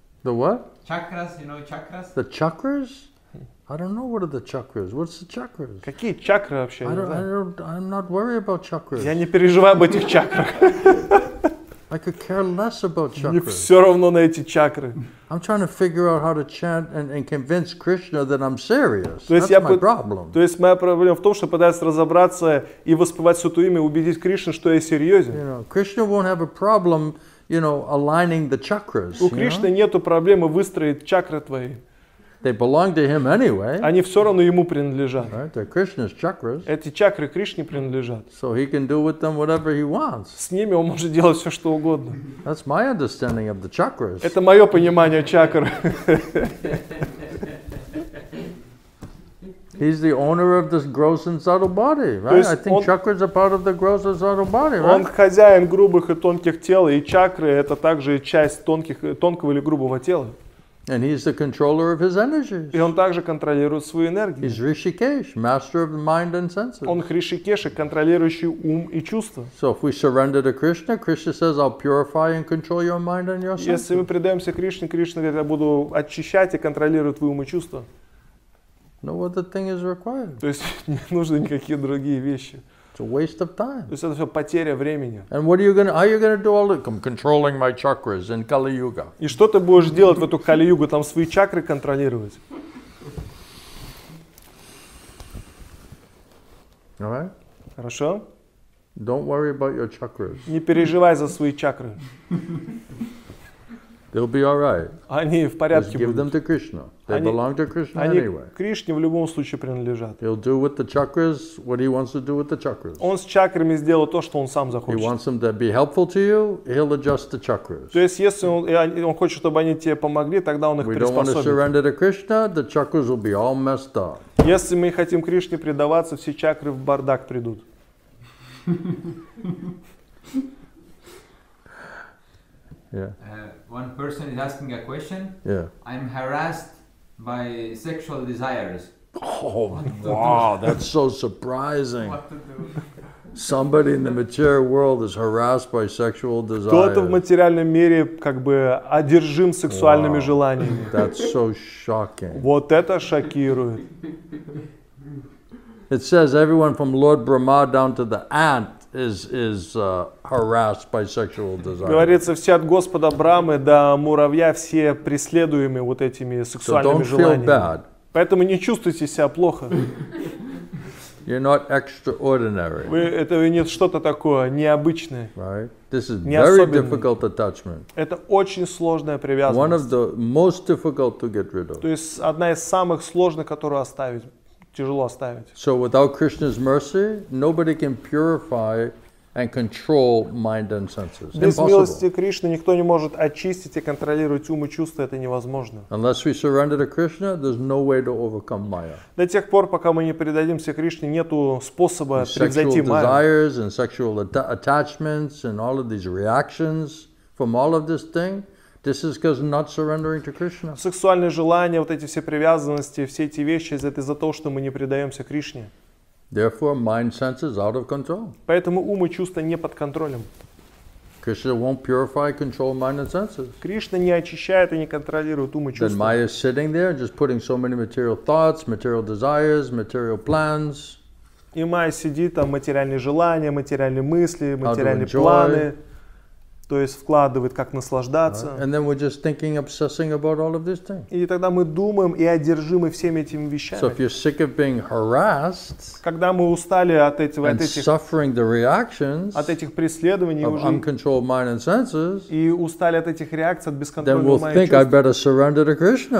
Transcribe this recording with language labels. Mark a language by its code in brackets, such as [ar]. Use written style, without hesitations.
[en] The what? Chakras, chakras? The chakras? I don't know what are the chakras. What's the chakras? [ru] Какие чакры вообще? [en] I'm not worried about chakras. [ru] Я не переживаю об этих чакрах. [en] I could care less about chakras. [ru] Мне все равно на эти чакры. [en] I'm trying to figure out how to chant and convince Krishna that I'm serious. That's my problem. [ru] То есть моя проблема в том, что пытаюсь разобраться и воспевать Святое Имя, убедить Кришну, что я серьезен. [en] Krishna won't have a problem, aligning the chakras. [ru] У Кришны нету проблемы выстроить чакры твои. [en] They belong to him anyway. [ru] Они все равно ему принадлежат. [en] Right? They're Krishna's chakras. [ru] Эти чакры Кришне принадлежат. [en] So he can do with them whatever he wants. [ru] С ними он может делать все что угодно. [en] That's my understanding of the chakras. [ru] Это мое понимание чакр. [en] He's the owner of this gross and subtle body, right? I think chakras are part of the gross and subtle body, right? [ru] Он хозяин грубых и тонких тел, и чакры это также часть тонких, тонкого или грубого тела. [en] And he's the controller of his energies. [ru] И он также контролирует свою энергию. [en] He's Rishikesh, master of the mind and senses. [ru] Он Хришикеш, контролирующий ум и чувства. [en] So if we surrender to Krishna, Krishna says, "I'll purify and control your mind and your senses." [ru] Если мы предаемся Кришне, Кришна говорит, я буду очищать и контролировать твой ум и чувства. [en] No other thing is required. [ru] То есть не нужны никакие другие вещи. [en] It's a waste of time. [ru] То есть это все потеря времени. [en] And what are you gonna, how are you gonna do all that? I'm controlling my chakras in Kali Yuga. [ru] И что ты будешь делать в эту Кали Югу, там свои чакры контролировать? [en] All right. [ru] Хорошо. [en] Don't worry about your chakras. [ru] Не переживай за свои чакры. [en] They'll be all right. [ru] Они в порядке будут. [en] Just give them to Krishna. They [ru] они, [en] belong to Krishna anyway. [ru] Они Кришне в любом случае принадлежат. [en] He'll do with the chakras what he wants to do with the chakras. [ru] Он с чакрами сделает то, что он сам захочет. [en] He wants them to be helpful to you. He'll adjust the chakras. [ru] То есть если он хочет, чтобы они тебе помогли, тогда он их приспособит. [en] We don't want to surrender to Krishna. The chakras will be all messed up. [ru] Если мы хотим Кришне предаваться, все чакры в бардак придут. [en] Yeah. One person is asking a question. Yeah. I'm harassed by sexual desires. Oh, wow, that's so surprising. Somebody in the material world is harassed by sexual desires. [ru] Кто-то в материальном мире как бы одержим сексуальными желаниями. [en] That's so shocking. [ru] Вот это шокирует. [en] It says everyone from Lord Brahma down to the ant is harassed by sexual desire. [ru] Говорится, все от Господа Брамы до муравья все преследуемы вот этими сексуальными желаниями. Поэтому не чувствуйте себя плохо. [en] You're not extraordinary. [ru] Вы это не что-то такое необычное. [en] Right? This is very difficult attachment. [ru] Это очень сложная привязанность. [en] One of the most difficult to get rid of. [ru] То есть одна из самых сложных, которую оставить. Тяжело оставить. [en] So without Krishna's mercy, nobody can purify and control mind and senses. [ru] Без милости Кришны никто не может очистить и контролировать ум и чувства. Это невозможно. [en] Unless we surrender to Krishna, there's no way to overcome Maya. [ru] До тех пор, пока мы не предадимся Кришне, нету способа превзойти Майю. [en] Sexual desires and sexual attachments and all of these reactions from all of this thing. This is because not surrendering to Krishna. [ru] Сексуальные желания, вот эти все привязанности, все эти вещи, это из-за того, что мы не предаемся Кришне. [en] Therefore, mind senses out of control. [ru] Поэтому ум и чувства не под контролем. [en] Krishna won't purify, control mind and senses. [ru] Кришна не очищает и не контролирует ум и чувства. [en] Then Maya is sitting there, just putting so many material thoughts, material desires, material plans. [ru] И Майя сидит там, материальные желания, материальные мысли, материальные планы. То есть вкладывает, как наслаждаться. [en] Right. And then we're just thinking, obsessing about all of these things. И тогда мы думаем и одержимы всеми этими вещами. So if you're sick of being harassed, [ru] когда мы устали от этого, [en] and suffering the reactions, [ru] от этих преследований [en] of [ru] уже, [en] uncontrolled mind and senses, [ru] и устали от этих реакций, от бесконтрольного мая чувств, [en] then we'll think, I better surrender to Krishna.